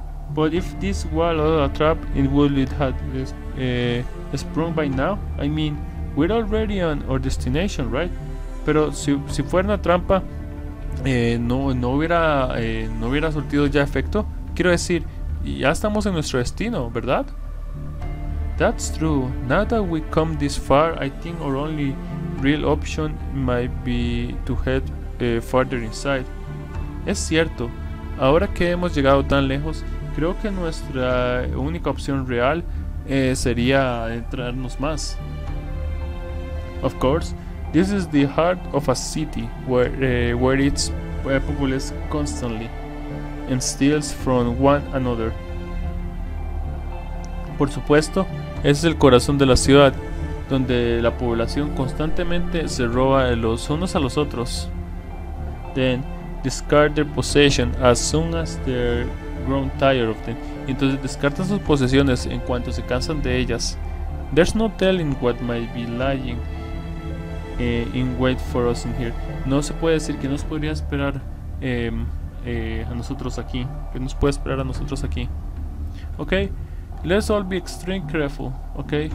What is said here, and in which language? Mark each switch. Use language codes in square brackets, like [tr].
[en] But if this wall was a trap, it would have sprung by now. I mean, we're already on our destination, right? [es] Pero si fuera una trampa, no hubiera surtido ya efecto. Quiero decir, ya estamos en nuestro destino, ¿verdad? [en] That's true. Now that we come this far, I think our only real option might be to head farther inside. [es] Es cierto. Ahora que hemos llegado tan lejos, creo que nuestra única opción real sería entrarnos más. [en] Of course, this is the heart of a city where its populace constantly and steals from one another. [es] Por supuesto, ese es el corazón de la ciudad, donde la población constantemente se roba los unos a los otros. [en] Then discard their possession as soon as they're grown tired of them. [es] Entonces descartan sus posesiones en cuanto se cansan de ellas. [en] There's no telling what might be lying in wait for us in here. [es] No se puede decir que nos podría esperar a nosotros aquí. Que nos puede esperar a nosotros aquí. [en] Ok. Let's all be extremely careful, ok?